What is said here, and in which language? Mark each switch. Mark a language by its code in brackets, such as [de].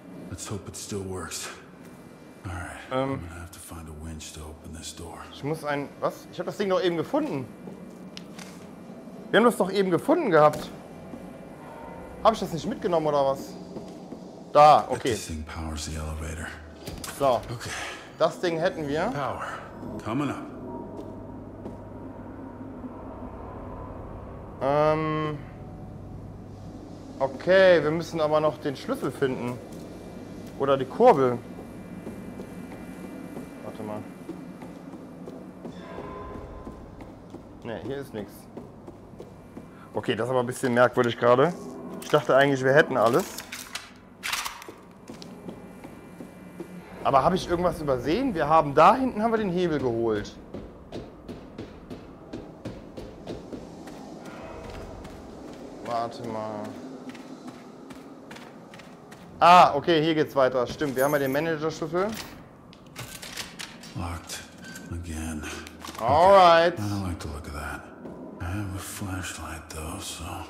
[en] Let's hope it still works. Alright, I'm gonna have to find a winch to open this door. [de] Was? Ich hab das Ding doch eben gefunden. Wir haben das doch eben gefunden gehabt. Hab ich das nicht mitgenommen oder was? Da, okay. [en] This thing powers the elevator. So. Okay. [de] Das Ding hätten wir. [en] Power. Coming up. [de] Okay, wir müssen aber noch den Schlüssel finden. Oder die Kurbel. Ne, hier ist nichts. Okay, das ist aber ein bisschen merkwürdig gerade. Ich dachte eigentlich, wir hätten alles. Aber habe ich irgendwas übersehen? Wir haben da hinten haben wir den Hebel geholt. Warte mal. Ah, okay, hier geht's weiter. Stimmt, wir haben ja den Manager-Schlüssel. [en] Locked again. Alright. Okay. I don't like the look of that. I have a flashlight though, so.